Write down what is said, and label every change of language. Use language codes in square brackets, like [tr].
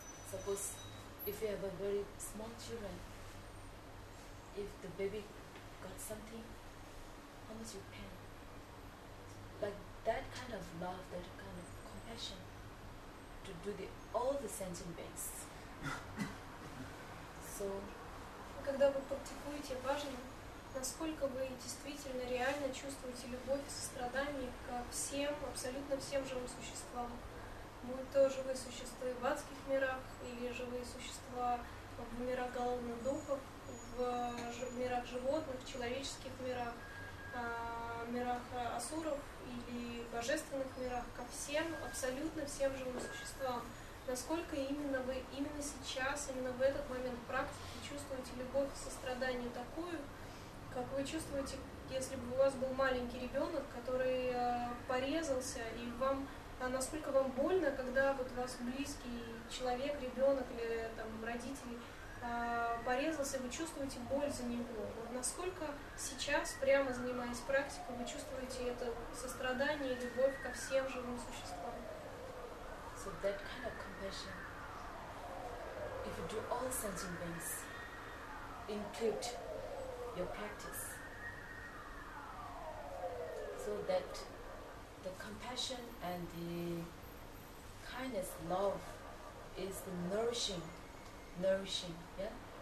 [en] Suppose if you have a very small children, if the baby got something, how much you pain? Like that kind of love, that kind of compassion to do the all the sentient beings. So, [ru] когда вы практикуете, важно, насколько вы действительно, реально чувствуете любовь и сострадание ко всем, абсолютно всем живым существам. Будь то живые существа в адских мирах, или живые существа в мирах головных духов, в мирах животных, в человеческих мирах, в мирах асуров или божественных мирах, ко всем, абсолютно всем живым существам. Насколько именно вы, именно сейчас, именно в этот момент практики чувствуете любовь и сострадание такую, как вы чувствуете, если бы у вас был маленький ребенок, который порезался, и вам, насколько вам больно, когда вот у вас близкий человек, ребенок или там родители порезался, вы чувствуете боль за него. Вот насколько сейчас, прямо занимаясь практикой, вы чувствуете это сострадание и любовь ко всем живым существам? [en] So that kind of compassion, if you do all sentient beings, include your practice, so that the compassion and the kindness, love, is the nourishing, nourishing, yeah?